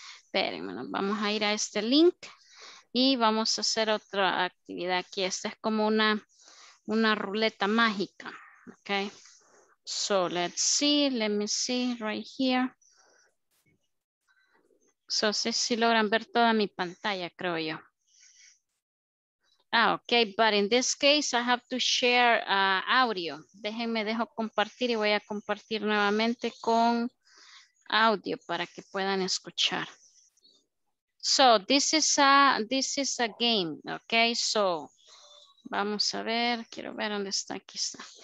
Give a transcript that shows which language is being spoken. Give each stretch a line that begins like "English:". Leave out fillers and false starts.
Spanish: Espérenme, vamos a ir a este link y vamos a hacer otra actividad aquí. Esta es como una ruleta mágica, okay?
English: So let's see, let me see right here.
Spanish: So sí, sí logran ver toda mi pantalla, creo yo.
English: Ah, okay, but in this case, I have to share audio.
Spanish: Déjenme, dejo compartir y voy a compartir nuevamente con audio para que puedan escuchar.
English: So this is a game, okay?
Spanish: So vamos a ver, quiero ver dónde está, aquí está.